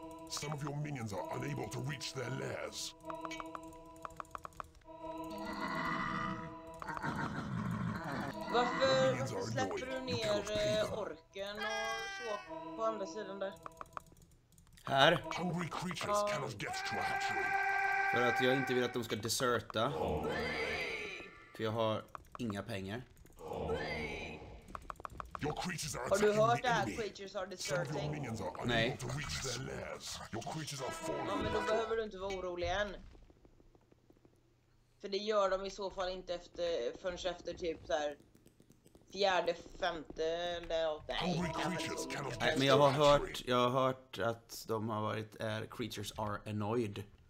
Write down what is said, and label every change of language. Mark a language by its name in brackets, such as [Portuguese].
[English] Some of your minions are unable to reach their lairs. [Swedish] Varför släpper du ner orken och så på andra sidan där? Här. [English] Hungry creatures cannot get to a hatchery. [Swedish] För att jag inte vill att de ska deserta. För jag har inga pengar. [English] Your creatures are attacking the enemy. [Swedish] Har du hört det här? [English] Creatures are deserting. Minions are unable to reach their lairs. Your creatures are falling. [Swedish] Ja, men då behöver du inte vara orolig än. För det gör de i så fall inte efter, förrän efter typ så här fjärde, femte eller något. Men jag har hört, att de har varit [English] creatures are annoyed.